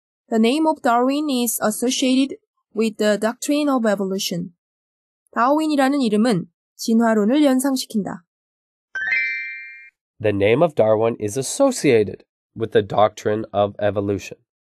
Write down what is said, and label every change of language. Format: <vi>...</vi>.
<en>The name of Darwin is associated with the doctrine of evolution.</en> <ko>다윈이라는 이름은 진화론을 연상시킨다.</ko> <en>The name of Darwin is associated with the doctrine of evolution.</en>